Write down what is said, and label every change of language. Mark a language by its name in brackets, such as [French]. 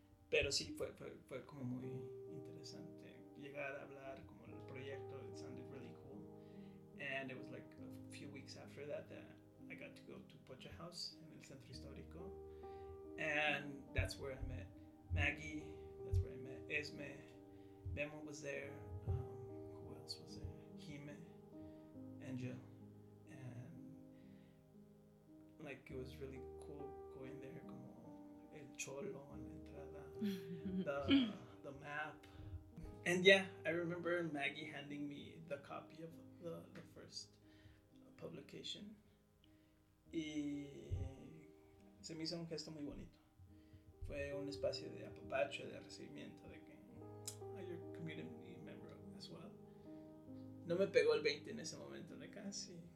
[Spanish] Pero sí, fue como muy interesante llegar a hablar como el proyecto. [English] It sounded really cool. And it was like a few weeks after that I got to go to Pocha House in El Centro Histórico. And that's where I met Maggie. That's where I met Esme. Memo was there. Who else was there? Hime. Angel. And like, it was really cool going there. [Spanish] Como el cholo en la entrada. [English] The map. And yeah, I remember Maggie handing me the copy of the first publication. [Spanish] Y se me hizo un gesto muy bonito. Fue un espacio de apapacho, de recibimiento, de que, [English] oh, you're a community member as well. [Spanish] No me pegó el 20 en ese momento, de casi.